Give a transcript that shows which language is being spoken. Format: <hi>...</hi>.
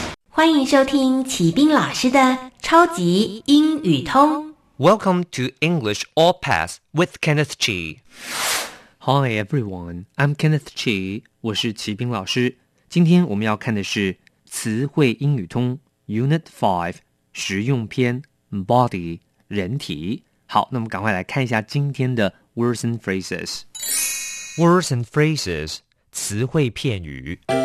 <zh>欢迎收听启斌老师的超级英语通。</zh> <en>Welcome to English All Pass with Kenneth Chi. Hi everyone, I'm Kenneth Chi.</en> <zh>我是齐斌老师。今天我们要看的是词汇英语通 Unit 5, 实用篇 Body, 人体。好，那么赶快来看一下今天的</zh> <en>Words and Phrases. Words and Phrases,</en> <zh>词汇片语。</zh>